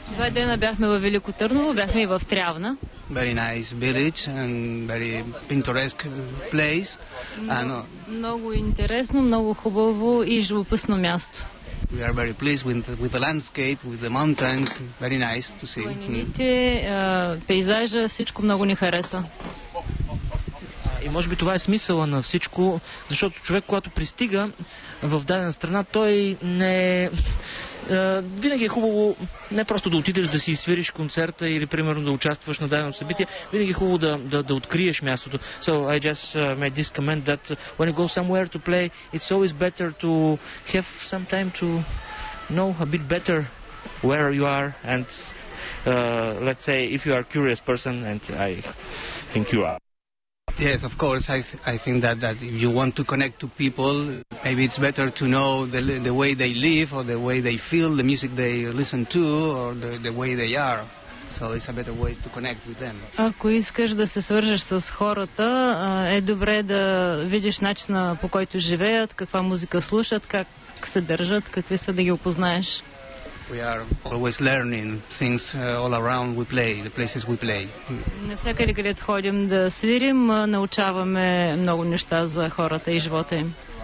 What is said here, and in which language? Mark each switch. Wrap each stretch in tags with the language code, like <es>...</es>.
<bg>Два дена бяхме във Велико Търново, бяхме и в Трявна.</bg> <en>Very nice village and very picturesque place.</en> <bg>Много интересно, много хубаво и живописно място.</bg> <en>We are very pleased with the landscape, with the mountains. Very nice to see.</en> <bg>Планините, пейзажа, всичко много ни хареса. И може би това е смисъла на всичко, защото човек, когато пристига в дадена страна, той не е... винаги е хубаво не просто да отидеш да си свириш концерта или примерно да участваш на дадено събитие, винаги е хубаво да откриеш мястото.</bg> <en>So I just made this comment that when you go somewhere to play, it's always better to have some time to know a bit better where you are and let's say if you are a curious person, and I think you are. Yes, of course. I think that if you want to connect to people, maybe it's better to know the way they live or the way they feel, the music they listen to or the way they are. So it's a better way to connect with them.</en> <bg>Ако искаш да се свържеш с хората, е добре да видиш начина по който живеят, каква музика слушат, как се държат, какви са, да ги опознаеш.</bg> <en>We are always learning things all around we play, the places we play.</en> <bg>На всякъде, където ходим да свирим, научаваме много неща за хората и живота им.</bg>